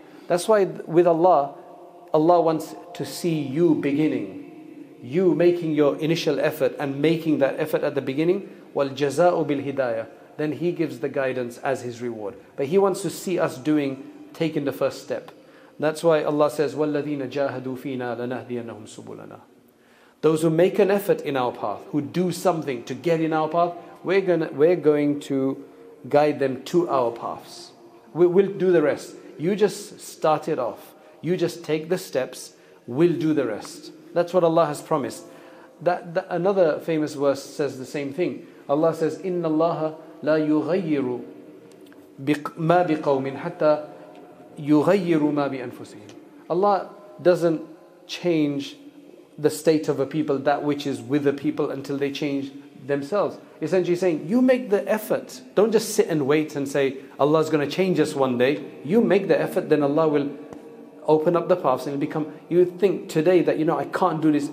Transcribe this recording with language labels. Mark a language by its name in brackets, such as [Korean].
[English] That's why with Allah, Allah wants to see you beginning, you making your initial effort and making that effort at the beginning. [Arabic] وَالْجَزَاءُ بِالْهِدَايَةُ. [English] Then He gives the guidance as His reward. But He wants to see us doing, taking the first step. That's why Allah says, [Arabic] وَالَّذِينَ جَاهَدُوا فِينَا لَنَهْدِيَنَّهُمْ سُبُلَنَا. [English] Those who make an effort in our path, who do something to get in our path, we're going to guide them to our paths. We'll do the rest. You just start it off. You just take the steps. We'll do the rest. That's what Allah has promised. That another famous verse says the same thing. Allah says, [Arabic] إِنَّ اللَّهَ لَا يُغَيِّرُ مَا بِقَوْمٍ حَتَّى يُغَيِّرُ مَا بِأَنفُسِهِمْ. [English] Allah doesn't change the state of a people, that which is with the people, until they change themselves. Essentially saying, you make the effort. Don't just sit and wait and say, Allah's going to change us one day. You make the effort, then Allah will open up the paths and become, you think today that, you know, I can't do this.